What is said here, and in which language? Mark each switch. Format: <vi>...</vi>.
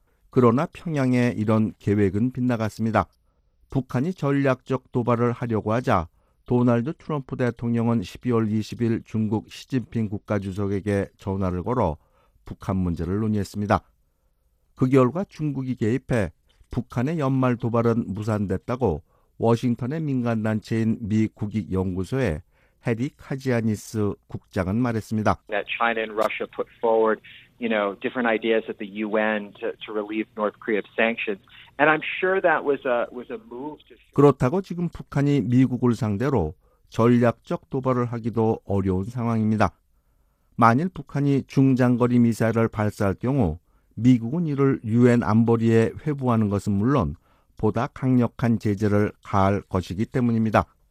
<ko>그러나 평양의 이런 계획은 빗나갔습니다. 북한이 전략적 도발을 하려고 하자 도널드 트럼프 대통령은 12월 20일 중국 시진핑 국가주석에게 전화를 걸어 북한 문제를 논의했습니다. 그 결과 중국이 개입해 북한의 연말 도발은 무산됐다고 워싱턴의 민간단체인 미 국익연구소의 해리 카지아니스 국장은 말했습니다.</ko> <en>That China and Russia put forward, you know, different ideas at the UN to relieve North Korea of sanctions. And I'm sure that was a move to</en> <ko>그렇다고 지금 북한이 미국을 상대로 전략적 도발을 하기도 어려운 상황입니다. 만일 북한이 중장거리 미사일을 발사할 경우 미국은 이를 유엔 안보리에 회부하는 것은 물론 보다 강력한 제재를 가할 것이기 때문입니다.</ko>